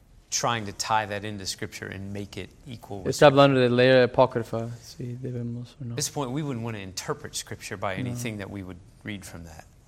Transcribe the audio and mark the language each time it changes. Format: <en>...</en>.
<en>Trying to tie that into scripture and make it equal with</en> <es>está hablando de leer Apocrypha, si debemos o no.</es> <en>At this point, we wouldn't want to interpret scripture by anything that we would read from that.</en>